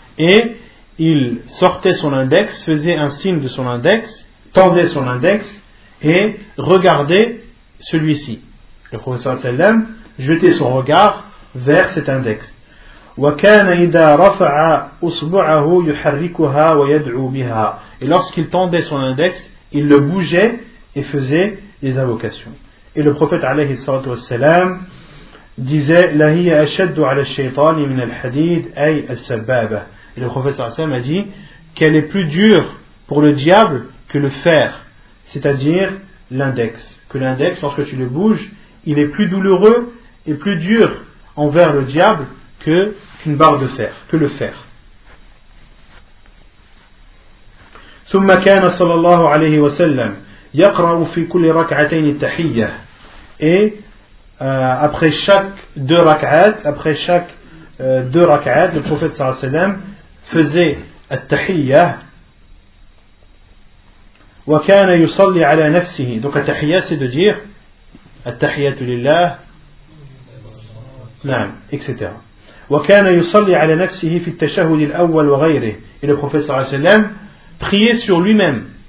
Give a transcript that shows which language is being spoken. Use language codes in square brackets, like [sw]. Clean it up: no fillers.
[fr] Et il sortait son index, faisait un signe de son index, tendait son index et regardait celui-ci. Le professeur sallam jetait son regard vers cet index. [ar] وكان إذا رفع أصبعه يحركها ويدعو بها. [fr] Et lorsqu'il tendait son index, il le bougeait et faisait des invocations. Et le prophète [ar] عليه الصلاة والسلام [fr] disait [ar] لا هي أشد على الشيطان من الحديد أي السبابة. [fr] Et le prophète [ar] صلى الله عليه وسلم [fr] a dit qu'elle est plus dure pour le diable que le fer, c'est-à-dire l'index. Que l'index, lorsque tu le bouges, il est plus douloureux et plus dur envers le diable qu'une barre de fer, que le fer. [ar] ثم كان صلى الله عليه وسلم يقرأ في كل ركعتين التحية. [fr] Et après chaque deux rak'at, le prophète [ar] صلى الله عليه وسلم [fr] faisait التحية. [ar] وكان يصلي على نفسه. [fr] Donc [ar] التحية, [fr] c'est de dire [ar] التحية لله, نعم, etc. وكان يصلي على نفسه في التشهد الأول وغيره. [fr] Et le prophète [ar] صلى الله عليه وسلم [fr] priait sur lui-même